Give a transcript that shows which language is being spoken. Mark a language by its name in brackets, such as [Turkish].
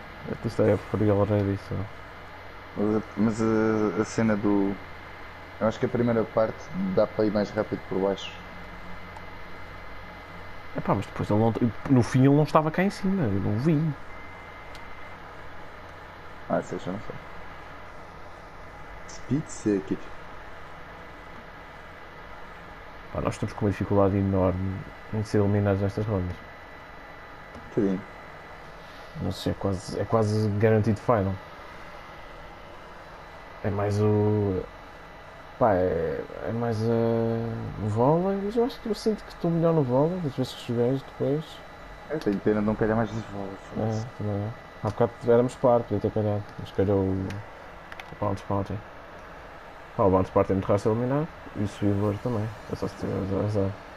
[English] At least I have three already, so. [Portuguese] Mas a cena do. Eu acho que a primeira parte dá para ir mais rápido por baixo. Epá, mas depois ele não. No fim ele não estava cá em cima, eu não vi. Ah, isso eu já não sei. Speed circuit. Pá, nós estamos com uma dificuldade enorme em ser eliminados nestas rondas. Tudinho. Não sei, é quase [English] guaranteed [Portuguese] final. É mais o. Pá, é mais a. Vôlei, mas eu acho que eu sinto que estou melhor no vôlei, das vezes que estiveres depois. Eu tenho pena de não calhar mais de volta, foda-se. É, também é. Há bocado éramos par, podia ter calhado. Mas calhou o Bounce Party. Pá, o Bounce Party é muito raro ser eliminado. E o Swivel também, é só se tiveres azar.